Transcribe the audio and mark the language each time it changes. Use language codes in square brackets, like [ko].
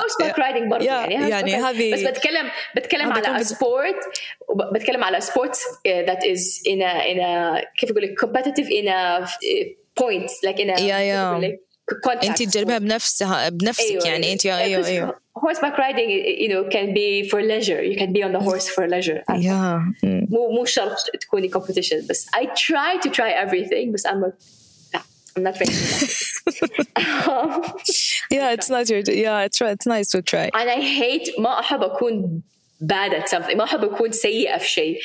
[en] Horseback riding [ar] برضه يعني هذه. بس بتكلم على [en] sport [ar] بتكلم على [en] sports that is in a [ar] كيف أقولك [en] competitive in a point like in a. [ar] أنت تجربها بنفسك أيوة. يعني أنت أيوة أيوة. أيوة. [en] Horseback riding you know can be for leisure. You can be on the horse for leisure. Yeah. [ar] مو شرط تكوني competition. [en] بس I try to try everything. بس I'm not very. Yeah, it's not your. Yeah, it's nice to try. And I hate [ar] ما أحب أكون [en] bad at something. [ar] ما أحب أكون سيئة في شيء.